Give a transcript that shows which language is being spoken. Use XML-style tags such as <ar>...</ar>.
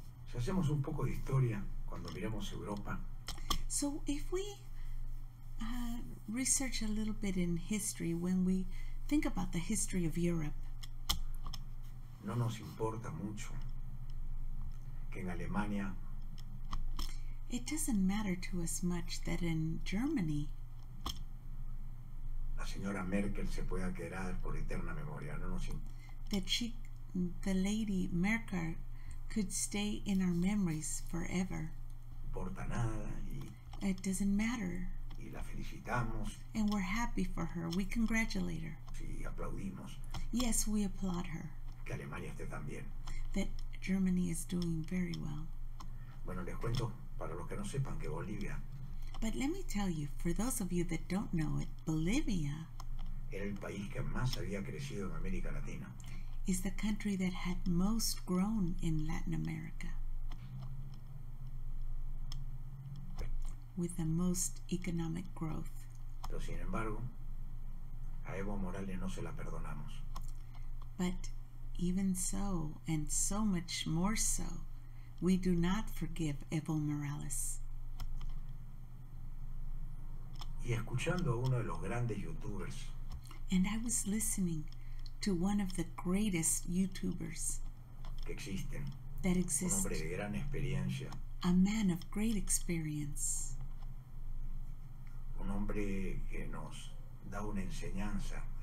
<es>Si hacemos un poco de historia cuando miramos Europa.</es> <en>So if we research a little bit in history, when we think about the history of Europe,</en> <es>no nos importa mucho que en Alemania.</es> <en>It doesn't matter to us much that in Germany.</en> <es>La señora Merkel se pueda quedar por eterna memoria. No nos</es> <en>that she, the lady Merkel, could stay in our memories forever.</en> <es>No importa nada y.</es> <en>It doesn't matter.</en> <es>Y la felicitamos.</es> <en>And we're happy for her. We congratulate her.</en> <es>Sí, aplaudimos.</es> <en>Yes, we applaud her.</en> <es>Que Alemania esté tan bien.</es> <en>That Germany is doing very well.</en> <es>Bueno, les cuento para los que no sepan que Bolivia.</es> <en>But let me tell you, for those of you that don't know it, Bolivia.</en> <es>Era el país que más había crecido en América Latina.</es> <en>Is the country that had most grown in Latin America. With the most economic growth.</en> <es>Pero sin embargo, a Evo Morales no se la perdonamos.</es> <en>But even so, and so much more so, we do not forgive Evo Morales.</en> <es>Y escuchando a uno de los grandes youtubers.</es> <en>And I was listening to one of the greatest youtubers.</en> <es>Que existen.</es> <en>That exists.</en> <es>Un hombre de gran experiencia.</es> <en>A man of great experience.</en> <es>Un hombre que nos da una enseñanza.</es>